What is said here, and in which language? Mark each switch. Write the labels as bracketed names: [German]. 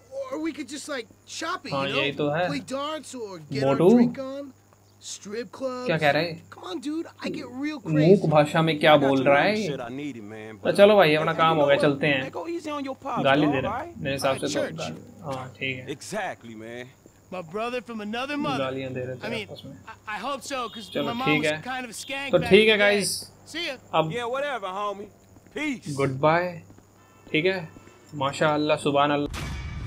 [English] Or we could just like shopping, [Hindi] हाँ, [English] you know? [Hindi] यही तो है। [English] Play darts or get a drink on, strip clubs. [Hindi] क्या कह रहे हैं? [English] Come on, dude, I get real crazy. [Hindi] मूक भाषा में क्या बोल रहा है? तो चलो भाई, अपना काम हो गया, चलते हैं। गाली दे रहा है मेरे हिसाब से तो। हाँ ठीक है। [English] Exactly, man. My brother from another mother. [Hindi] गालियाँ दे रहे थे। [English] I mean, I hope so, because my mom was kind of a skank. [Hindi] तो ठीक है, guys. [English] See ya. [Hindi] अब. [English] Yeah, whatever, homie. Peace. [Hindi] Goodbye. ठीक है. माशाअल्लाह, सुभानअल्लाह.